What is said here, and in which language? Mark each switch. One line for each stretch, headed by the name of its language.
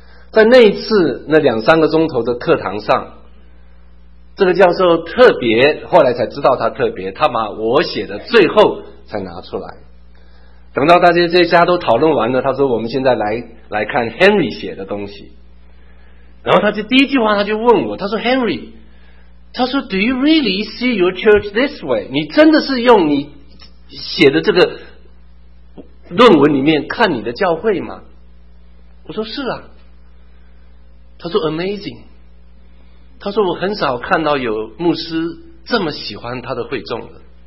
Chinese: 在那一次那2、3个钟头的课堂上，这个教授特别，后来才知道他特别，他把我写的最后才拿出来。等到大家这家都讨论完了，他说我们现在来看 Henry 写的东西。然后他就第一句话他就问我，他说 Henry,他说
English: Do you really see your church this way?
Chinese: 你真的是用你写的这个论文里面看你的教会吗？我说是啊。他说 Amazing, 他说我很少看到有牧师这么喜欢他的会众的。